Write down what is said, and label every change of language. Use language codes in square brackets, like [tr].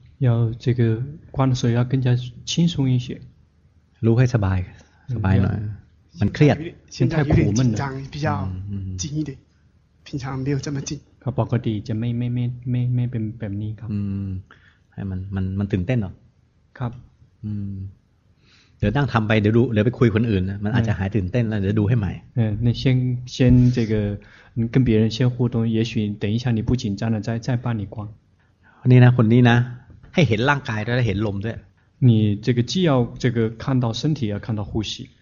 [zh] 要这个观的时候要更加轻松一些， [th] 撸会สบาย สบายหน่อย มันเครียด [zh] 心太苦闷了，比较紧一点，平常没有这么紧。 [th] เขาปกติจะไม่เป็นแบบนี้ครับ ให้มันตื่นเต้นหรอ ครับ เดี๋ยวนั่งทำไปเดี๋ยวไปคุยคนอื่นมันอาจจะหายตื่นเต้นแล้วเดี๋ยวดูให้ใหม่ [zh] 那先这个跟别人先互动也许等一下你不紧张了再帮你观 [th] นี่นะคนนี้นะให้เห็นร่างกายด้วยเห็นลมด้วย [zh] 你这个既要这个看到身体要看到呼吸